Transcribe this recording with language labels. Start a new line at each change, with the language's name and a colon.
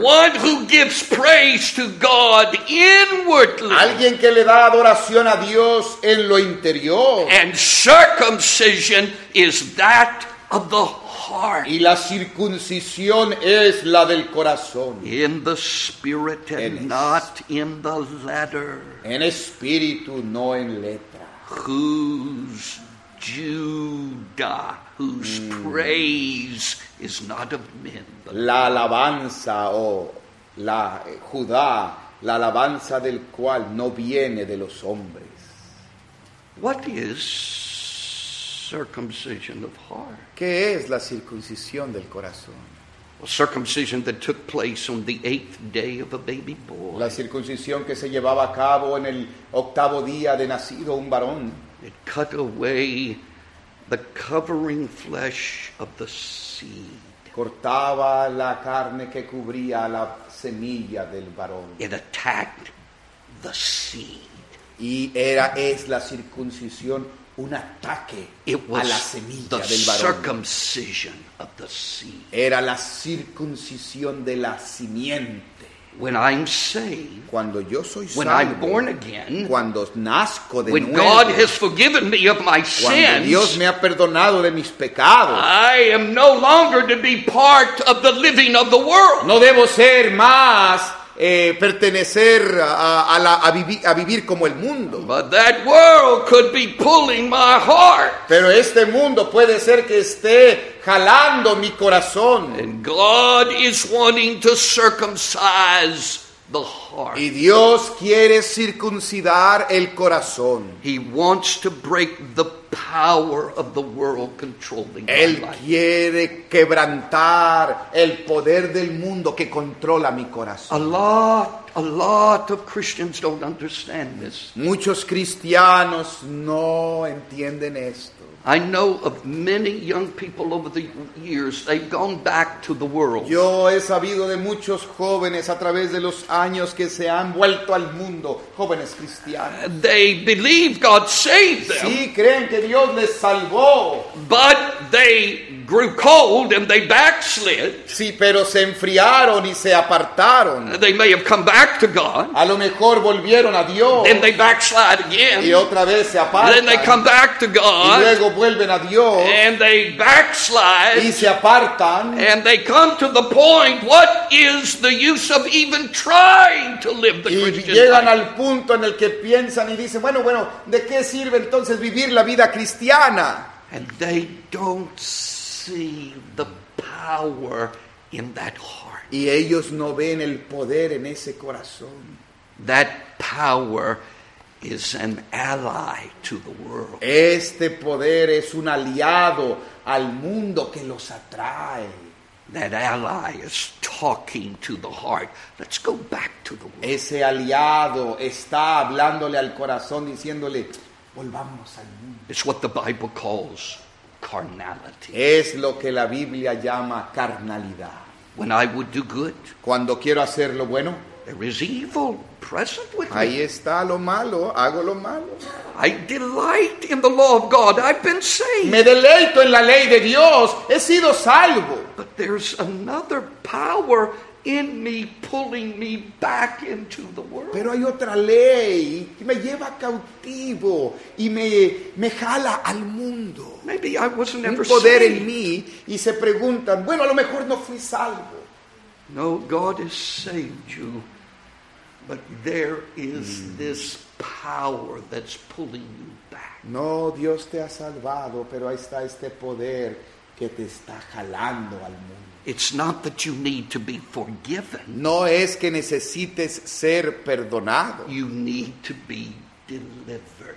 English: One who gives praise to God inwardly.
Spanish: Alguien que le da adoración a Dios en lo interior.
English: And circumcision is that of the heart.
Spanish: Y la circuncisión es la del corazón.
English: In the spirit and not in the letter.
Spanish: En espíritu, no en letra.
English: Who's Judah, whose praise is not of men.
Spanish: La alabanza la Judá, la alabanza del cual no viene de los hombres.
English: What is circumcision of heart?
Spanish: ¿Qué es la circuncisión del corazón?
English: A circumcision that took place on the eighth day of a baby boy.
Spanish: La circuncisión que se llevaba a cabo en el octavo día de nacido un varón.
English: It cut away the covering flesh of the seed.
Spanish: Cortaba la carne que cubría la semilla del varón.
English: It attacked the seed.
Spanish: Y es la circuncisión un ataque a la semilla del varón.
English: The circumcision of the seed.
Spanish: Era la circuncisión de la simiente.
English: When I'm saved,
Spanish: cuando yo soy salvo,
English: when I'm born again,
Spanish: cuando nazco de
English: when
Spanish: nuevo,
English: God has forgiven me of my sins,
Spanish: cuando Dios me ha perdonado de mis pecados,
English: I am no longer to be part of the living of the world.
Spanish: No debo ser más pertenecer a vivir como el mundo.
English: But that world could be pulling my heart.
Spanish: Pero este mundo puede ser que esté jalando mi corazón.
English: And God is wanting to circumcise the heart.
Spanish: Y Dios quiere circuncidar el corazón.
English: He wants to break the power of the world controlling my life.
Spanish: Él quiere quebrantar el poder del mundo que controla mi corazón.
English: A lot of Christians don't understand this.
Spanish: Muchos cristianos no entienden esto.
English: I know of many young people over the years, they've gone back to the world.
Spanish: Yo he sabido de muchos jóvenes a través de los años que se han vuelto al mundo, jóvenes cristianos.
English: They believe God saved them.
Spanish: Sí, creen que Dios les salvó.
English: But they grew cold and they backslid.
Spanish: Sí, pero se enfriaron y se apartaron.
English: They may have come back to God.
Spanish: A lo mejor volvieron a Dios.
English: Then they backslide again.
Spanish: Y otra vez se apartan.
English: Then they come back to God.
Spanish: Y luego vuelven a Dios.
English: And they backslide.
Spanish: Y se apartan.
English: And they come to the point, what is the use of even trying to live the Christian life?
Spanish: Y llegan al punto en el que piensan y dicen, bueno, ¿de qué sirve entonces vivir la vida cristiana?
English: And they don't see the power in that heart.
Spanish: Y ellos no ven el poder en ese corazón.
English: That power is an ally to the world.
Spanish: Este poder es un aliado al mundo que los atrae.
English: That ally is talking to the heart. Let's go back to the world.
Spanish: Ese aliado está hablándole al corazón, diciéndole, volvamos al mundo.
English: It's what the Bible calls carnality.
Spanish: Es lo que la Biblia llama carnalidad.
English: When I would do good,
Spanish: cuando quiero hacer lo bueno,
English: there is evil present with me.
Spanish: Ahí está lo malo, hago lo malo.
English: I delight in the law of God. I've been saved.
Spanish: Me deleito en la ley de Dios. He sido salvo.
English: But there's another power in me pulling me back into the world.
Spanish: Pero hay otra ley que me lleva cautivo y me jala al mundo.
English: Maybe I wasn't ever saved.
Spanish: Un poder en mí, y se preguntan, bueno, a lo mejor no fui salvo.
English: No, God has saved you, but there is this power that's pulling you back.
Spanish: No, Dios te ha salvado, pero ahí está este poder que te está jalando al mundo.
English: It's not that you need to be forgiven.
Spanish: No es que necesites ser perdonado.
English: You need to be delivered.